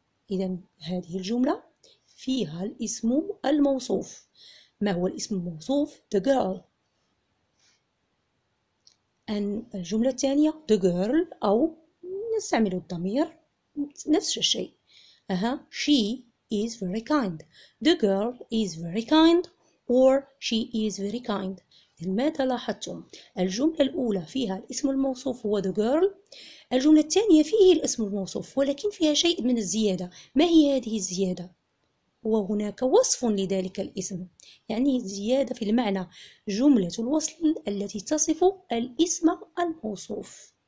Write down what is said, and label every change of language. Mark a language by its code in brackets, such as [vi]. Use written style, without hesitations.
[ar] إذن هذه الجملة فيها الاسم الموصوف. ما هو الاسم الموصوف؟ [en] The girl. [ar] الجملة الثانية: [en] The girl، [ar] أو نستعمل الضمير نفس الشيء. [en] She is very kind. The girl is very kind or she is very kind. [ar] ماذا لاحظتم؟ الجملة الأولى فيها الاسم الموصوف هو [en] the girl، [ar] الجملة الثانية فيه الاسم الموصوف ولكن فيها شيء من الزيادة. ما هي هذه الزيادة؟ وهناك وصف لذلك الاسم، يعني زيادة في المعنى، جملة الوصل التي تصف الاسم الموصوف.